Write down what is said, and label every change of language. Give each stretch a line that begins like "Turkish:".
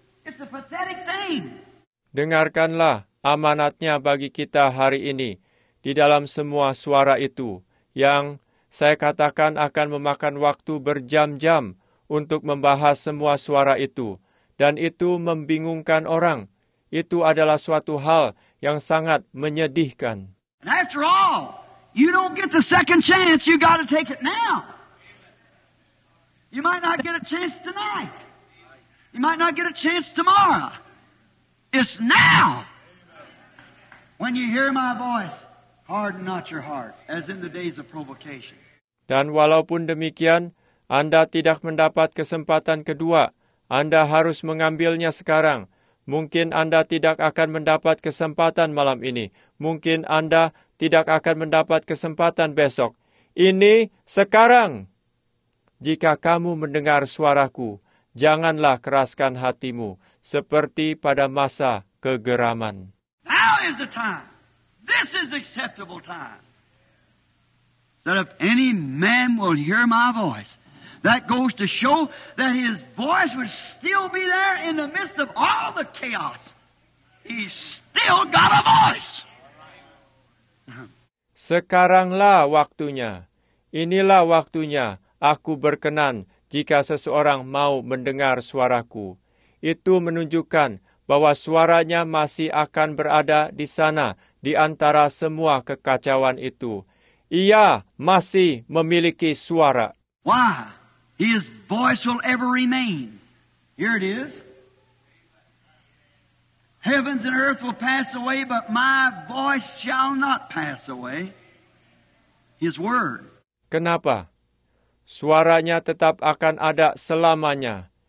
English: It's a pathetic thing.
Indonesian: Dengarkanlah amanatnya bagi kita hari ini, di dalam semua suara itu, yang saya katakan akan memakan waktu berjam-jam untuk membahas semua suara itu, dan itu membingungkan orang. Itu adalah suatu hal yang sangat menyedihkan.
English: And after all, you don't get the second chance, you got to take it now. You might not get a chance tonight. You might not get a chance tomorrow. It's now. When you hear my voice, harden not your heart, as in the days of provocation.
Indonesian: Dan walaupun demikian, Anda tidak mendapat kesempatan kedua. Anda harus mengambilnya sekarang. Mungkin Anda tidak akan mendapat kesempatan malam ini. Mungkin Anda tidak akan mendapat kesempatan besok. Ini sekarang. Jika kamu mendengar suaraku, janganlah keraskan hatimu seperti pada masa kegeraman.
English: Now is the time. This is acceptable time. That if any man will hear my voice, that goes to show that his voice would still be there in the midst of all the chaos. He's still got a voice.
Indonesian: Sekaranglah waktunya. Inilah waktunya. Aku berkenan jika seseorang mau mendengar suaraku. Itu menunjukkan bahwa suaranya masih akan berada di sana, di antara semua kekacauan itu. Ia masih memiliki suara.
English: Why? His voice will ever remain. Here it is. Heavens and earth will pass away, but my voice shall not pass away. His word.
Indonesian: Kenapa? Suaranya tetap akan ada selamanya.